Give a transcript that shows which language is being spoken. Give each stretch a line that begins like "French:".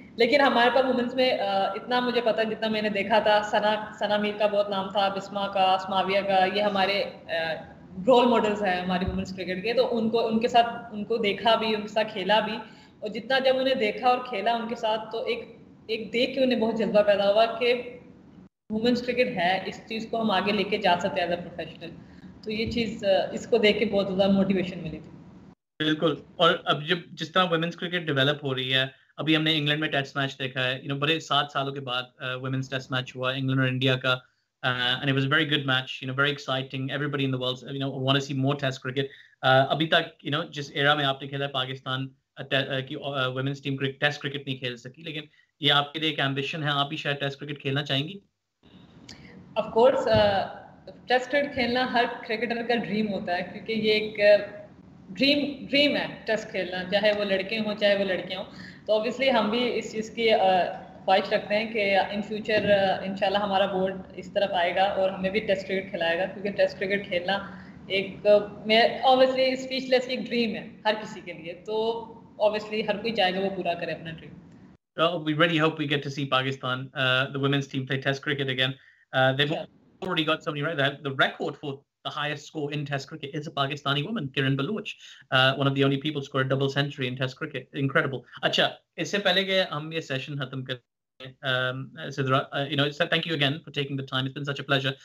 Hindi: लेकिन हमारे पास वुमेन्स में इतना मुझे पता है जितना मैंने देखा था, सना मीर का बहुत नाम था, बिस्मा का, स्माविया का, ये हमारे रोल मॉडल्स हैं हमारी वुमेन्स क्रिकेट के. तो उनको उनके साथ उनको देखा भी, उनके साथ खेला भी, और जितना जब उन्हें देखा और खेला उनके साथ तो एक देख के उन्हें बहुत जज्बा पैदा हुआ कि वुमेन्स क्रिकेट है, इस चीज़ को हम आगे लेके जा सकते हैं
English: As a professional.
Hindi: तो ये चीज़ इसको देख के बहुत ज़्यादा मोटिवेशन मिली थी. बिल्कुल, और अब जब जिस तरह वुमेन्स क्रिकेट डेवलप हो रही है, अभी हमने इंग्लैंड में टेस्ट मैच देखा है, यू नो बड़े 7 सालों के बाद वुमेन्स टेस्ट मैच हुआ इंग्लैंड और इंडिया का.
English: And it was a very good match, you know, very exciting. Everybody in the world, you know, want to see more Test cricket.
Hindi: Abhi tak, you know, jis era mein aapne khela hai, Pakistan ki women's team cricket, Test cricket nahi khel saki. Lekin ye aapke liye ek ambition hai, aap bhi shayad Test cricket khelna chahengi? Of course, Test cricket khelna har cricketer ka dream hota hai, kyunki ye ek dream hai Test khelna, chahe wo ladke ho, chahe wo ladkiyan ho. To obviously hum bhi is cheez ki ख्वाहिश रखते हैं कि in future इंशाल्लाह हमारा board इस तरफ आएगा और हमें भी टेस्ट क्रिकेट खिलाएगा, क्योंकि टेस्ट क्रिकेट खेलना एक ऑब्वियसली स्पीचलेस एक ड्रीम है हर किसी के लिए. तो ऑब्वियसली हर कोई चाहेगा वो पूरा करे अपना dream.
English: We really hope we get to see Pakistan, the women's team play test cricket again. They've already got somebody right there. The record for the highest score in test cricket is a Pakistani woman, Kiran Baloch, one of the only people to score a double century in test cricket. Incredible.
Hindi: Acha, isse pehle ke hum ye session khatam kare,
English: Sidra, you know, thank you again for taking the time, it's been such a pleasure.